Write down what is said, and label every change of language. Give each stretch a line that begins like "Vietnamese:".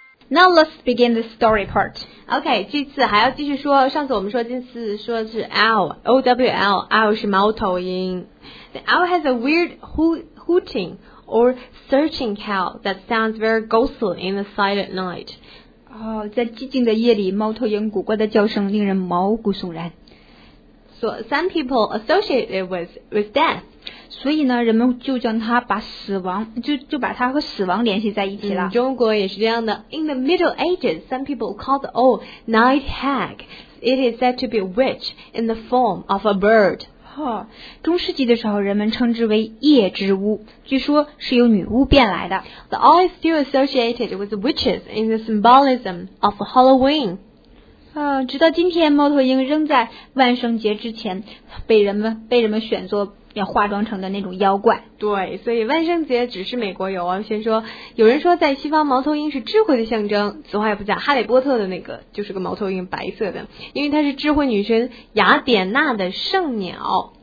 English: Now let's begin the story part.
Chinese: Okay, 这次还要继续说，上次我们说这次说的是 owl, O-W-L, owl 是猫头鹰。
English: The owl has a weird hooting or searching call that sounds very ghostly in the silent night.
Chinese: 哦，在寂静的夜里，猫头鹰古怪的叫声令人毛骨悚然。
English: So some people associate it with death.
Chinese: 所以呢，人们就将它把死亡就把它和死亡联系在一起了。中国也是这样的。
English: In the Middle Ages, some people called the owl night hag. It is said to be a witch in the form of a bird.
Chinese: 哦，中世纪的时候，人们称之为夜之巫，据说是由女巫变来的。
English: The owl is still associated with witches in the symbolism of Halloween.
Chinese: 直到今天，猫头鹰仍在万圣节之前被人们选作要化妆成的那种妖怪。对，所以万圣节只是美国有啊。先说，有人说在西方，猫头鹰是智慧的象征。此话也不假，哈利波特的那个就是个猫头鹰，白色的，因为它是智慧女神雅典娜的圣鸟。